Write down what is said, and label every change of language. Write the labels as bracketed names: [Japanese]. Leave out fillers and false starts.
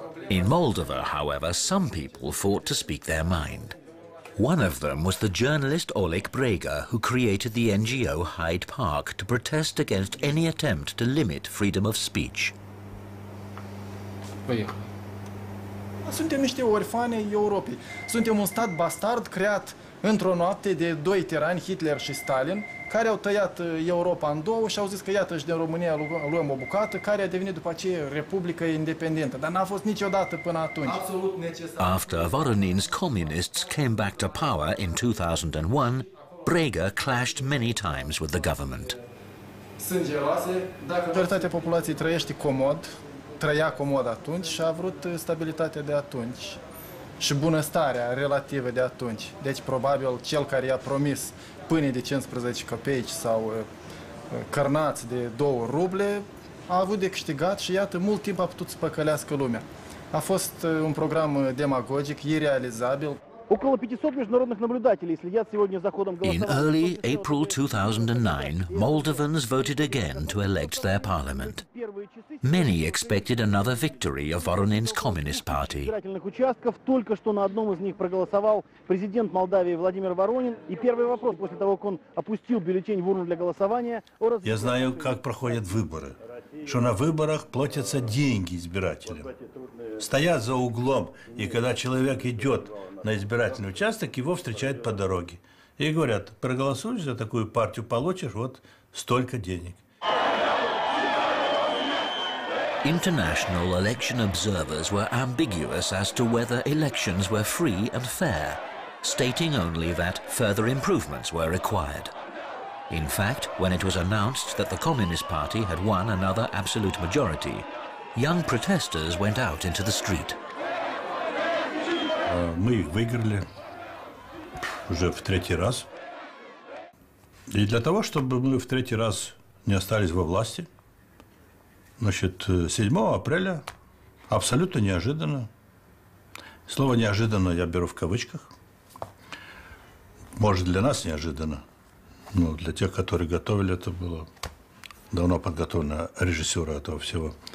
[English] In Moldova, however, some people fought to speak their mind. One of them was the journalist Oleg Brega, who created the NGO Hyde Park to protest against any attempt to limit freedom of speech. [Romanian] Suntem niște orfane Europei. Suntem un stat bastard creat într-o noapte de doi tirani, Hitler și Stalin, care au tăiat Europa în două și au zis că iată-și din România luăm o bucată, care a devenit după aceea Republică Independentă, dar n-a fost niciodată până atunci. Absolut necesar. [English] After Voronin's communists came back to power in 2001, Brega clashed many times with the government. [Romanian] Sângeroase, dacă... Majoritatea populației trăiește comod, trăia comod atunci și a vrut stabilitatea de atunci. Și bunăstarea relativă de atunci. Deci, probabil, cel care i-a promis pâine de 15 copeici sau cărnați de 2 ruble, a avut de câștigat și, iată, mult timp a putut să păcălească lumea. A fost un program demagogic, irealizabil. [Russian] Около 500 международных наблюдателей следят сегодня за ходом голосования. [English] In early April 2009, Moldovans voted again to elect their parliament. Many expected another victory of Voronin's Communist Party. [Russian] Избирательных участков только что на одном из них проголосовал президент Молдавии Владимир Воронин, и первый вопрос после того, как он опустил бюллетень в урну для голосования, о разве... Я знаю, как проходят выборы. Что на выборах платятся деньги избирателям. Стоят за углом, и когда человек идет на избирательный участок, его встречают по дороге. И говорят, проголосуешь за такую партию, получишь вот столько денег. [English] International election observers were ambiguous as to whether elections were free and fair, stating only that further improvements were required. In fact, when it was announced that the Communist Party had won another absolute majority, young protesters went out into the street. [Russian] Мы их выиграли уже в третий раз. И для того, чтобы мы в третий раз не остались во власти, значит, 7 апреля, абсолютно неожиданно, слово «неожиданно» я беру в кавычках, может, для нас неожиданно, но для тех, которые готовили, это было давно подготовлено режиссера этого всего.